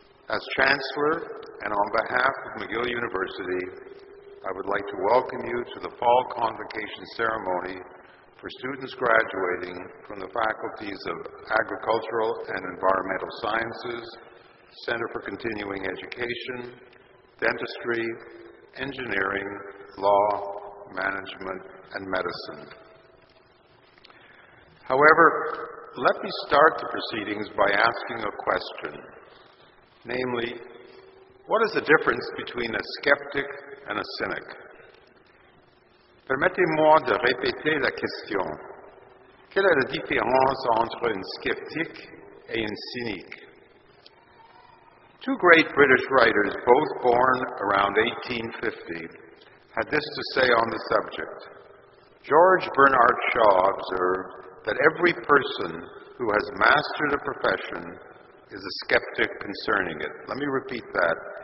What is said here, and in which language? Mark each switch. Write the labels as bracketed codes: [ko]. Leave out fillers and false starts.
[en] As Chancellor and on behalf of McGill University, I would like to welcome you to the fall convocation ceremony for students graduating from the faculties of Agricultural and Environmental Sciences, Center for Continuing Education, Dentistry, Engineering, Law, Management, and Medicine. However, let me start the proceedings by asking a question, namely, what is the difference between a skeptic and a cynic? [fr] Permettez-moi de répéter la question. Quelle est la différence entre une skeptique et une cynique? [en] Two great British writers, both born around 1850, had this to say on the subject. George Bernard Shaw observed that every person who has mastered a profession is a skeptic concerning it. Let me repeat that.